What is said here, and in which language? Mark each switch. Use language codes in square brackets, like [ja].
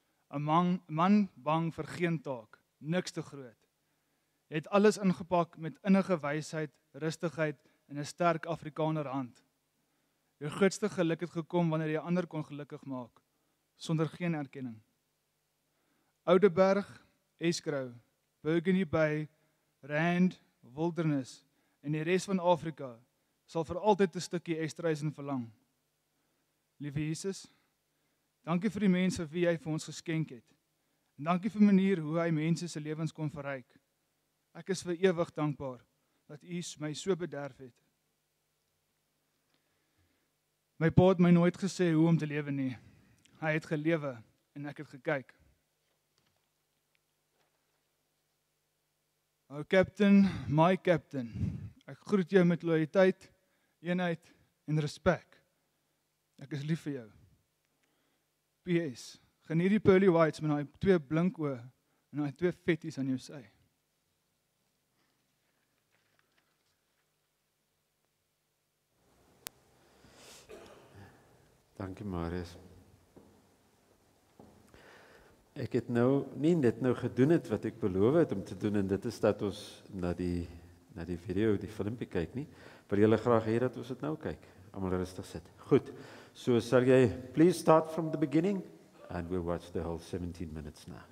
[af] Een man bang vir geen taak, niks te groot. Hy het alles ingepak met innige wysheid, rustigheid en 'n sterk Afrikaner hand. Jou grootste geluk het gekom wanneer jy ander kon gelukkig maak, sonder geen erkenning. Oudeberg, Eskrou, Burgundy Bay, Rand, Wilderness en die res van Afrika sal vir altyd 'n stukkie Esterhuizen verlang. Liewe Jesus, dankie vir die mense wie jy vir ons geskenk het. En dankie vir manier hoe hy mense se lewens kon verryk. Ek is vir ewig dankbaar dat u my so bederf het. My pa het my nooit gesê hoe om te lewe nie. Hy het gelewe en ek het gekyk. [en] O captain, my captain, [af] ek groet jou met loyaliteit, eenheid en respek. Ek is lief vir jou. P.S. Geniet die pearly whites met hy twee blink oë en hy twee vetties aan jou sy. Dankie Marius. Ek het nou nie net nou gedoen het wat ek beloof het om te doen en dit is dat ons na die video, die filmpie kyk nie. Wil julle graag hê dat ons dit nou kyk? Almal rustig sit. Goed. So sal jy [en] please start from the beginning and we'll watch the whole 17 minutes now.